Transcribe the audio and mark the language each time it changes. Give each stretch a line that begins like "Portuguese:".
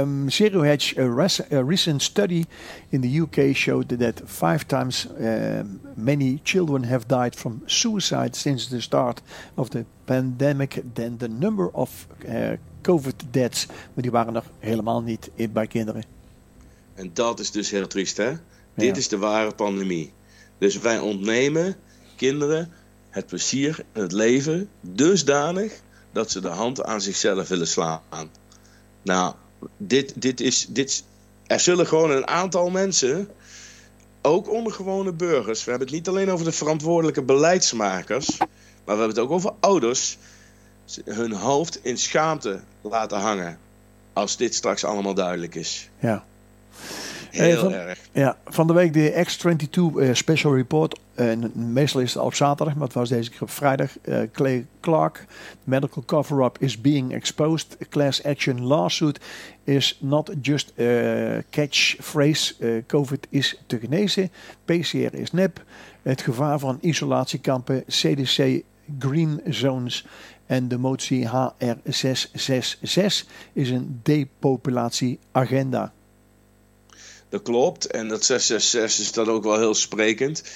English: Zero Hedge, a recent study in the UK showed that 5 times many children have died from suicide since the start of the pandemic than the number of COVID deaths.
Dutch: Maar die waren nog helemaal niet bij kinderen. En dat is dus heel triest, hè? Ja. Dit is de ware pandemie. Dus wij ontnemen kinderen het plezier in het leven dusdanig dat ze de hand aan zichzelf willen slaan. Nou, dit is. Er zullen gewoon een aantal mensen, ook onder gewone burgers, we hebben het niet alleen over de verantwoordelijke beleidsmakers, maar we hebben het ook over ouders, hun hoofd in schaamte laten hangen als dit straks allemaal duidelijk is. Ja. Heel erg. Ja, van de week de X-22 Special Report. Meestal is het op zaterdag, maar het was deze keer op vrijdag.
English: Clay Clark, medical cover-up is being exposed. A class action lawsuit is not just a catchphrase.
Dutch: COVID is te genezen. PCR is nep. Het gevaar van isolatiekampen, CDC green zones en de motie HR666 is een depopulatieagenda. Dat klopt. En dat 666 is dan ook wel heel sprekend.